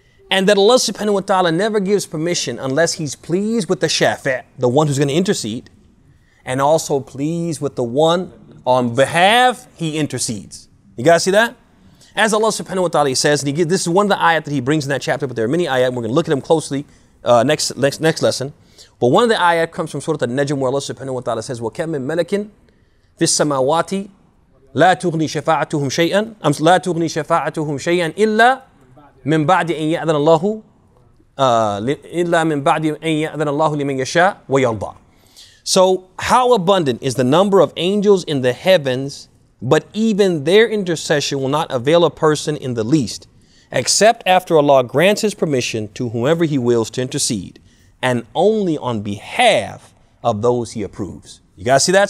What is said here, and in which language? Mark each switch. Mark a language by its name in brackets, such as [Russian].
[English] And that Allah subhanahu wa ta'ala never gives permission unless he's pleased with the shafi', the one who's going to intercede, and also pleased with the one on behalf he intercedes. You guys see that? As Allah subhanahu wa ta'ala says, and he gives, this is one of the ayat that he brings in that chapter, but there are many ayat, and we're going to look at them closely next lesson. But one of the ayat comes from Surah Al-Najm, where Allah subhanahu wa ta'ala says, [Arabic] وَكَمْ مِنْ مَلَكٍ فِي السَّمَاوَاتِ لَا تُغْنِي شَفَاعَتُهُمْ شَيْئًا لَا تُغْنِي شَفَاعَتُهُمْ شَيْئًا إِلَّا مِنْ بَعْدِ أَنْ يَأْذَنَ اللَّهُ إِلَّا مِنْ بَعْدِ أَنْ يَأْذَنَ اللَّهُ لِمَنْ يَشَاءُ وَيَرْضَى. [English] So how abundant is the number of angels in the heavens, but even their intercession will not avail a person in the least, except after Allah grants his permission to whomever he wills to intercede, and only on behalf of those he approves. You guys see that?